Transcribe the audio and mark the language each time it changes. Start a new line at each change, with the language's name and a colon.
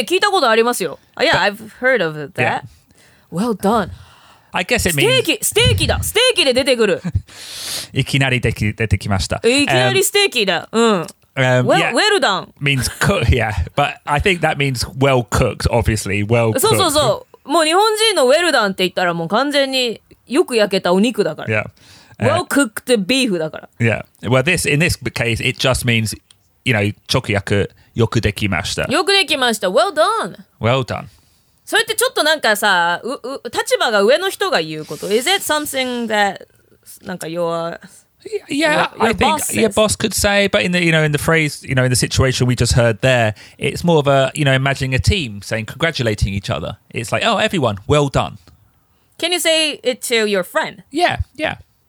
Japanese: 聞いたことありますよ。
English: Yeah, but, I've heard of that. Yeah. Well done. I guess it means...
Japanese: ステーキだ。ステーキで出てくる。いきなり出てきました。いきなりステーキだ。うん。
English: Well done. Means cook, yeah. But I think that means well cooked, obviously. Well cooked.
Japanese: そうそうそう。もう日本人のウェルダンって言ったらもう完全によく焼けたお肉だから。
English: Yeah. Well cooked beef
Japanese: だから。
English: Yeah. Well, in this case, it just means, you know,
Japanese: 直訳、よくできました。よくできました。
English: Well done. Well done.
Japanese: それってちょっとなんかさ、立場が上の人が言うこと。
English: Is it something that,
Japanese: なんか
English: you're... Yeah, I think your boss could say, but in the phrase, you know, in the situation we just heard there, it's more of a, you know, imagining a team saying congratulating each other. It's like, oh, everyone, well done. Can you say it to your friend? Yeah, yeah.